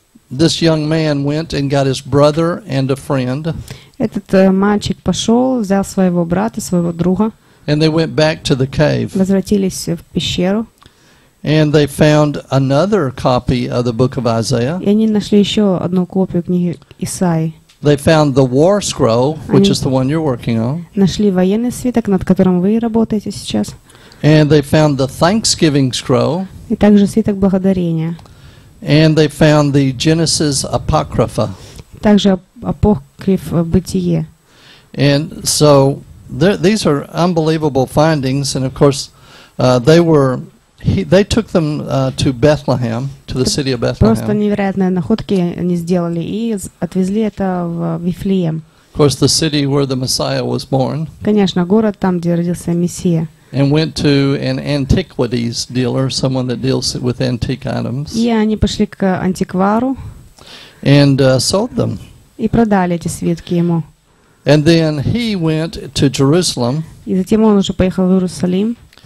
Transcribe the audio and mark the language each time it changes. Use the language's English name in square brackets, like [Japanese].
[English] This young man went and got his brother and a friend. [Russian] Этот мальчик пошел, взял своего брата, своего друга. [English] And they went back to the cave. [Russian] Возвратились в пещеру. [English] And they found another copy of the book of Isaiah. [Russian] И они нашли еще одну копию книги Исаии. [English] They found the war scroll, which is the one you're working on. [Russian] Нашли военный свиток, над которым вы работаете сейчас. [English] And they found the Thanksgiving scroll. [Russian] И также свиток благодарения. [English] And they found the Genesis Apocrypha. [Russian] Также апокриф бытие. [English] And so these are unbelievable findings, and of course they took them to Bethlehem, to the city of Bethlehem. [Russian] Просто невероятные находки они сделали и отвезли это в Вифлеем. [English] Of course, the city where the Messiah was born. [Russian] Конечно, город там, где родился Мессия. [English] And went to an antiquities dealer, someone that deals with antique items. [Russian] И они пошли к антиквару. [English] And sold them. [Russian] И продали эти свитки ему. [English] And then he went to Jerusalem. [Russian] И затем он уже поехал в Иерусалим.